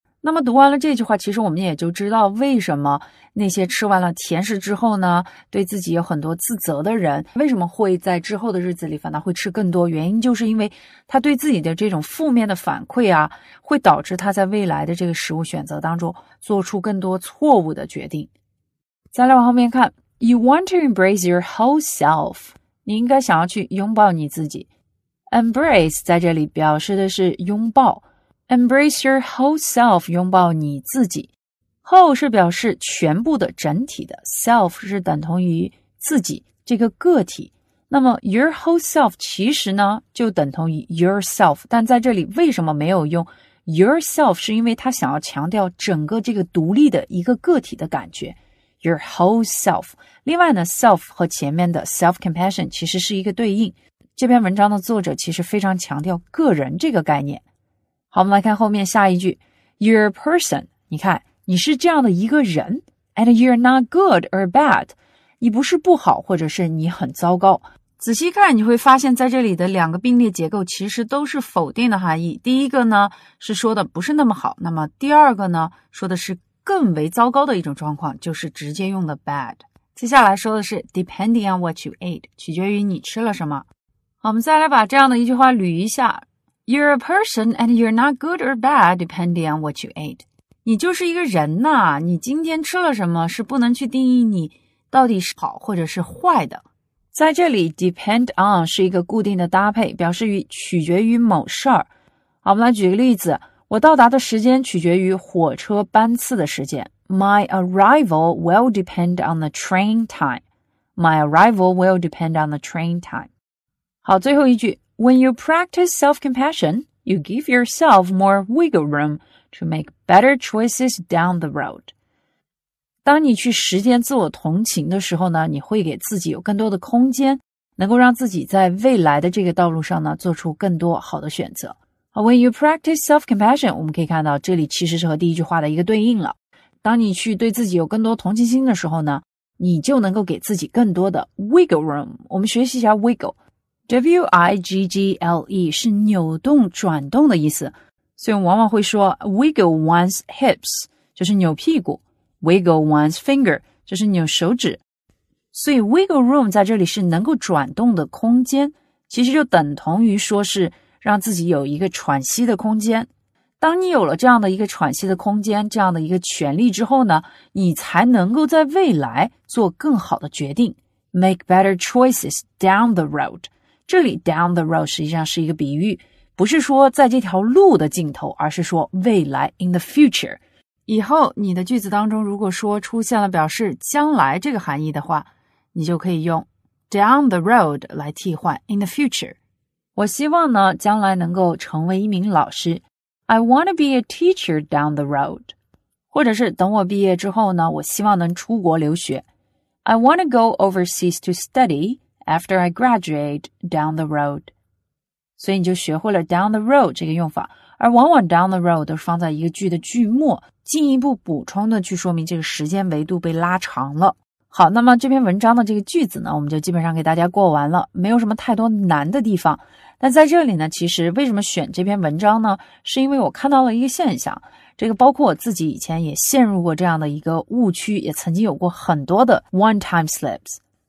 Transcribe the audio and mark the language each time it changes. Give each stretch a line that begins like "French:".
Chinese: 那么读完了这句话，其实我们也就知道为什么那些吃完了甜食之后呢对自己有很多自责的人为什么会在之后的日子里反倒会吃更多，原因就是因为他对自己的这种负面的反馈啊，会导致他在未来的这个食物选择当中做出更多错误的决定。再来往后面看，
English: You want to embrace your whole self,
Chinese: 你应该想要去拥抱你自己。 Embrace 在这里表示的是拥抱。
English: Embrace your whole self,
Chinese: 拥抱你自己。 Whole 是表示全部的整体的。Self 是等同于自己这个个体。那么 your whole self 其实呢就等同于 yourself, 但在这里为什么没有用 yourself, 是因为他想要强调整个这个独立的一个个体的感觉。 Your whole self。 另外呢 self 和前面的 self-compassion 其实是一个对应。这篇文章的作者其实非常强调个人这个概念。好，我们来看后面下一句。
English: You're a person,
Chinese: 你看你是这样的一个人。
English: And you're not good or bad,
Chinese: 你不是不好或者是你很糟糕。仔细看你会发现在这里的两个并列结构其实都是否定的含义。第一个呢是说的不是那么好，那么第二个呢说的是更为糟糕的一种状况，就是直接用的 bad。接下来说的是
English: depending on what you ate,
Chinese: 取决于你吃了什么。我们再来把这样的一句话捋一下。
English: You're a person and you're not good or bad depending on what you ate.
Chinese: 你就是一个人呐，你今天吃了什么是不能去定义你到底是好或者是坏的。在这里 depend on 是一个固定的搭配，表示于取决于某事儿。好，我们来举个例子，我到达的时间取决于火车班次的时间。
English: My arrival will depend on the train time. My arrival will depend on the train time.
Chinese: 好，最后一句，
English: When you practice self-compassion, you give yourself more wiggle room to make better choices down the road.
Chinese: 当你去实践自我同情的时候呢，你会给自己有更多的空间，能够让自己在未来的这个道路上呢，做出更多好的选择。
English: When you practice self-compassion,
Chinese: 我们可以看到这里其实是和第一句话的一个对应了。当你去对自己有更多同情心的时候呢，你就能够给自己更多的 wiggle room。我们学习一下 wiggle， W-I-G-G-L-E 是扭动转动的意思，所以我们往往会说 wiggle one's hips 就是扭屁股， wiggle one's finger 就是扭手指。所以 wiggle room 在这里是能够转动的空间，其实就等同于说是让自己有一个喘息的空间。当你有了这样的一个喘息的空间，这样的一个权利之后呢，你才能够在未来做更好的决定。
English: Make better choices down the road.
Chinese: 这里 down the road 实际上是一个比喻，不是说在这条路的尽头，而是说未来 in the future. 以后你的句子当中如果说出现了表示将来这个含义的话，你就可以用 down the road 来替换 in the future. 我希望呢将来能够成为一名老师，
English: I want to be a teacher down the road.
Chinese: 或者是等我毕业之后呢，我希望能出国留学。
English: I want to go overseas to study after I graduate down the road.
Chinese: 所以你就学会了 down the road 这个用法，而往往 down the road 都是放在一个句的句末，进一步补充的去说明这个时间维度被拉长了。好，那么这篇文章的这个句子呢，我们就基本上给大家过完了，没有什么太多难的地方。但在这里呢，其实为什么选这篇文章呢，是因为我看到了一个现象，这个包括我自己以前也陷入过这样的一个误区，也曾经有过很多的 one time slips。